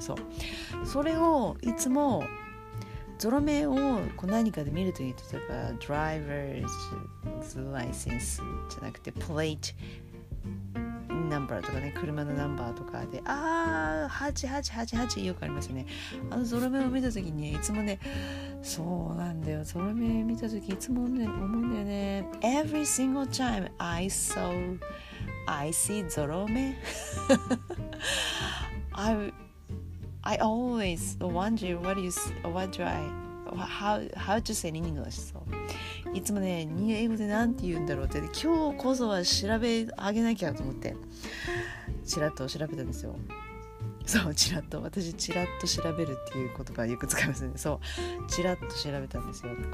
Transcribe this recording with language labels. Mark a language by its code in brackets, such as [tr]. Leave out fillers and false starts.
[ja] そう、それをいつもゾロ目をこう何かで見るときに、例えばドライバーライセンスじゃなくてプレートナンバーとかね、車のナンバーとかで、8888よくありますよね。ゾロ目を見たときにいつもね、そうなんだよ、ゾロ目見たときいつも、ね、思うんだよね。 [en] Every single time I saw I see ゾロ目I always wonder what you what do I how to say in English、so. [ja] いつもね、英語でなんて言うんだろうって、今日こそは調べ上げなきゃと思って、チラッと調べたんですよ。そう、チラッと、私チラッと調べるっていう言葉よく使いますね。そう、チラッと調べたんですよ。